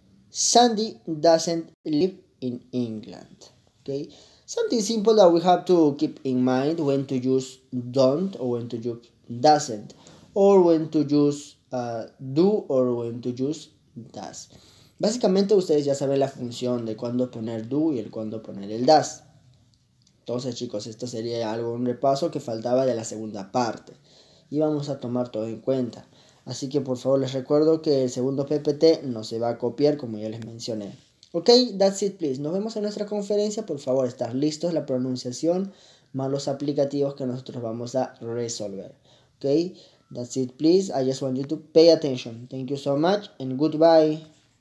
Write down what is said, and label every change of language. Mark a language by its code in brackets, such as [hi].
[en] Sandy doesn't live in England. Okay, something simple that we have to keep in mind when to use don't or when to use doesn't, or when to use do or when to use does. [es] Básicamente ustedes ya saben la función de cuándo poner do y el cuándo poner el does. Entonces, chicos, esto sería algo, un repaso que faltaba de la segunda parte. Y vamos a tomar todo en cuenta. Así que, por favor, les recuerdo que el segundo PPT no se va a copiar, como ya les mencioné. [en] Ok, that's it, please. [es] Nos vemos en nuestra conferencia. Por favor, estar listos, la pronunciación, más los aplicativos que nosotros vamos a resolver. [en] Ok, that's it, please. I just want you to pay attention. Thank you so much and goodbye.